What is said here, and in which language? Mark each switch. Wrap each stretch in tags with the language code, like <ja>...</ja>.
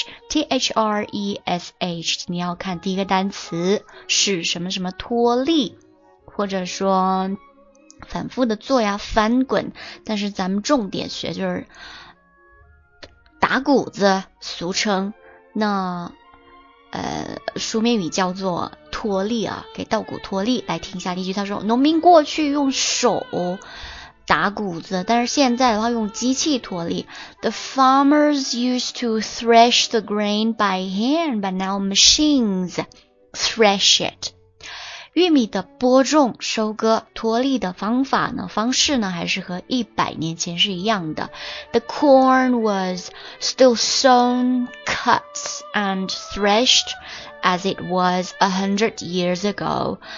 <zh>T-H-R-E-S-H， 你要看第一个单词是什么什么脱粒，或者说反复的做呀，翻滚，但是咱们重点学就是打谷子，俗称，那书面语叫做脱粒啊，给稻谷脱粒。来听一下例句，他说农民过去用手打谷子，但是现在的话用机器脱粒。</zh> <en>The farmers used to thresh the grain by hand, but now machines thresh it.</en> <zh>玉米的播种、收割、脱粒的方法呢、方式呢，还是和100年前是一样的。</zh> <en>The corn was still sown, cut, and threshed as it was 100 years ago.</en>